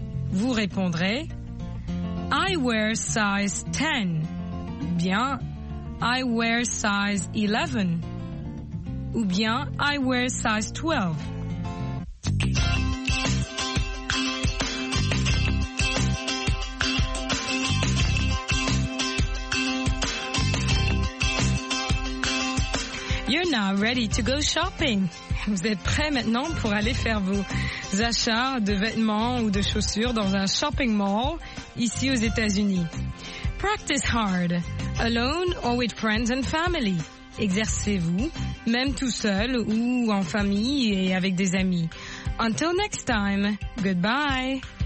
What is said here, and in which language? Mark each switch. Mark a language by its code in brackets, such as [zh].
[fr] Vous répondrez [en] « I wear size 10. » [fr] Bien [en] « I wear size 11. » [fr] Ou bien [en] « I wear size 12. » You're now ready to go shopping. [fr] Vous êtes prêt maintenant pour aller faire vos achats de vêtements ou de chaussures dans un shopping mall ici aux États-Unis. [en] Practice hard, alone or with friends and family. [fr] Exercez-vous, même tout seul ou en famille et avec des amis. [en] Until next time, goodbye.